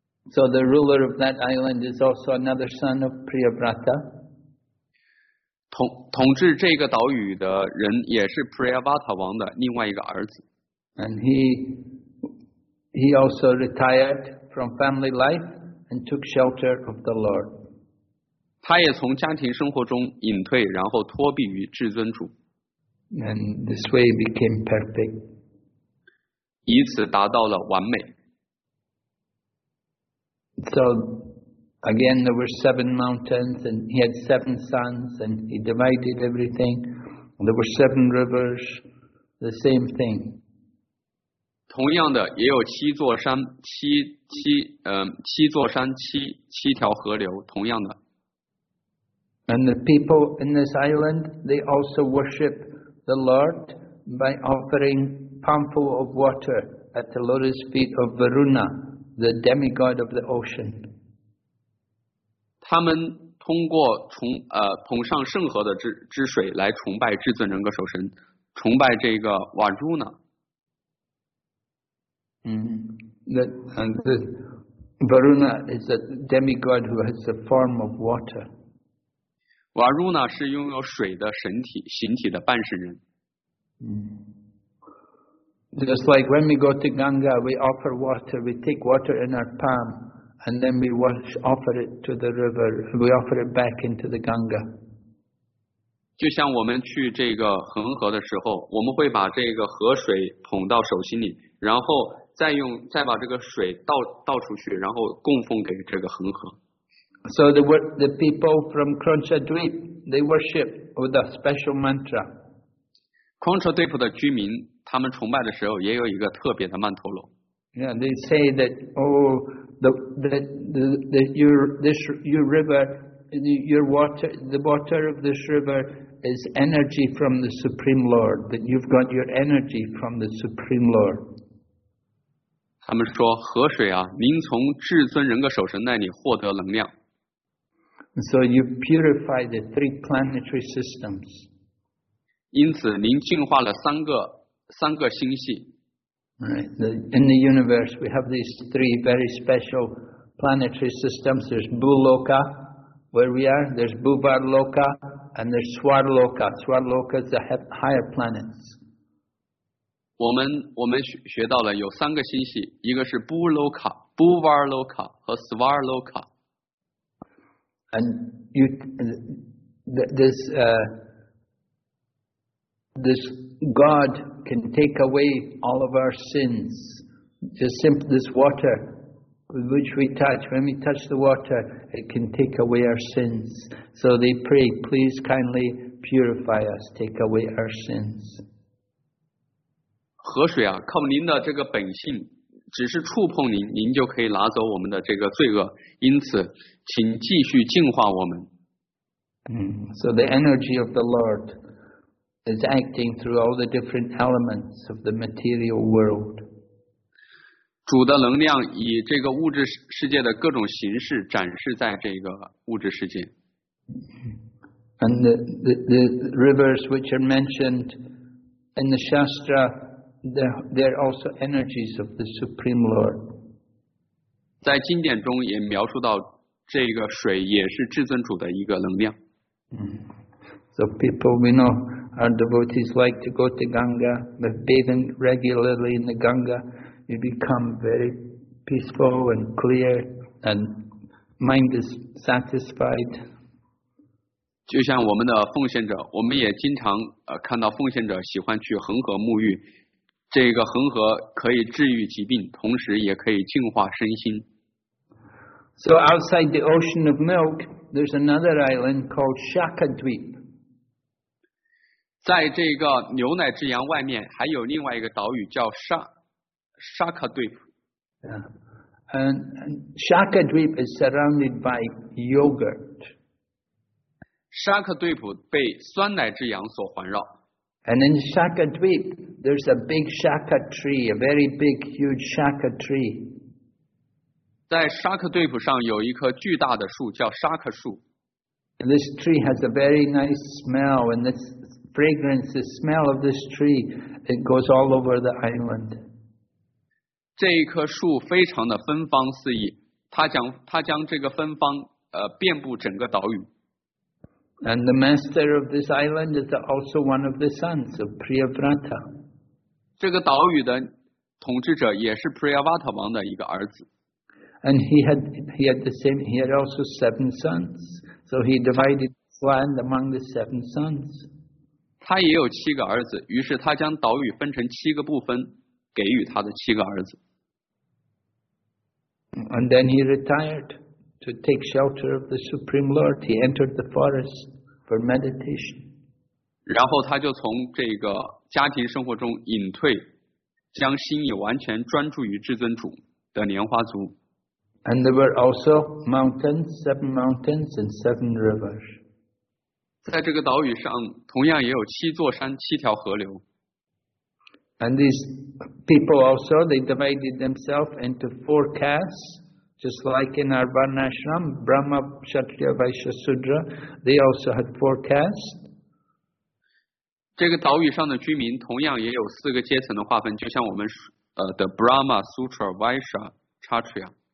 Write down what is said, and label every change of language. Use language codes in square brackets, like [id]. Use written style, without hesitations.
[en] So the ruler of that island is also another son of Priyavrata. [zh] 统治这个岛屿的人也是 Priyavrata 王的另外一个儿子。 [en] And he also retired from family life and took shelter of the Lord. [zh] 他也从家庭生活中隐退，然后托庇于至尊主。 [en] And this way became perfect. [zh] 以此达到了完美。 [en] So again, there were seven mountains, and he had seven sons, and he divided everything. There were seven rivers, the same thing. [zh] 同样的，也有七座山，七座山，七条河流，同样的。 [en] And the people in this island, they also worship the Lord by offering palmful of water at the lotus feet of Varuna. The demigod of the ocean. [zh] 他们通过捧上圣河的之水来崇拜至尊人格守神，崇拜这个瓦朱呢。 [en] The Varuna is a demigod who has the form of water. [zh] 瓦朱呢是拥有水的神体形体的半神人。 [en] Just like when we go to Ganga, we offer water, we take water in our palm, and then we offer it to the river, we offer it back into the Ganga. [zh] 就像我们去这个恒河的时候，我们会把这个河水捧到手心里，然后再把这个水倒出去，然后供奉给这个恒河。 [en] So the people from Kronchadweep, they worship with a special mantra. [zh] Kronchadweep 的居民他们崇拜的时候也有一个特别的曼陀罗。 [en] Yeah, they say that, your river, your water, the water of this river is energy from the Supreme Lord, that you've got your energy from the Supreme Lord. [zh] 他们说河水啊，您从至尊人格守神那里获得能量。 [en] So you purify the three planetary systems. [zh] 因此您净化了三个星系。 [en] In the universe, we have these three very special planetary systems. There's Bhuloka, where we are. There's Bhuvarloka, and there's Swarloka. Swarloka is the higher planets. [zh] 我们学到了有三个星系，一个是 Bhuloka, Bhuvarloka 和 Swarloka. [en] And this God. Can take away all of our sins. Just simply this water with which we touch. When we touch the water, it can take away our sins. So they pray, please kindly purify us, take away our sins. [zh] 河水啊，靠您的这个本性，只是触碰您，您就可以拿走我们的这个罪恶。因此，请继续净化我们。 [en] So the energy of the Lord. Is acting through all the different elements of the material world. [zh] 主的能量以这个物质世界的各种形式展示在这个物质世界。 [en] And the rivers which are mentioned in the Shastra, they're also energies of the Supreme Lord. [zh] 在经典中也描述到这个水也是至尊主的一个能量。 [en] So people, we know. Our devotees like to go to Ganga, but bathing regularly in the Ganga, you become very peaceful and clear, and mind is satisfied. [zh] 就像我们的奉献者，我们也经常看到奉献者喜欢去恒河沐浴。这个恒河可以治愈疾病，同时也可以净化身心。 [en] So outside the ocean of milk, there's another island called Shakadweep. [zh] 在这个牛奶之洋外面还有另外一个岛屿叫 Shakadweep、 [en] yeah. and Shakadweep is surrounded by yogurt. [zh] Shakadweep 被酸奶之洋所环绕。 [en] And in Shakadweep there's a big Shaka tree, a very big huge Shaka tree. [zh] 在沙克对普上有一棵巨大的树叫沙克树。 [en] This tree has a very nice smell, and this fragrance, the smell of this tree, it goes all over the island. [zh] 这一棵树非常的芬芳四溢，它将这个芬芳遍布整个岛屿。 [en] And the master of this island is also one of the sons of Priyavrata. [zh] 这个岛屿的统治者也是 Priyavrata 王的一个儿子。 [en] And he had also seven sons. So he divided his land among the seven sons. [zh] 他也有七个儿子，于是他将岛屿分成七个部分，给予他的七个儿子。 [en] And then he retired to take shelter of the Supreme Lord. He entered the forest for meditation. [zh] 然后他就从这个家庭生活中隐退，将心意完全专注于至尊主的莲花族。 [en] And there were also mountains, seven mountains, and seven rivers. [zh] 在这个岛屿上，同样也有七座山、七条河流。 [en] And these people also, they divided themselves into four castes, just like in our Varnashram, Brahma, Kshatriya, Vaishya, Sudra. They also had four castes. [zh] 这个岛屿上的居民同样也有四个阶层的划分，就像我们的 Brahma, Sudra, Vaishya, Kshatriya。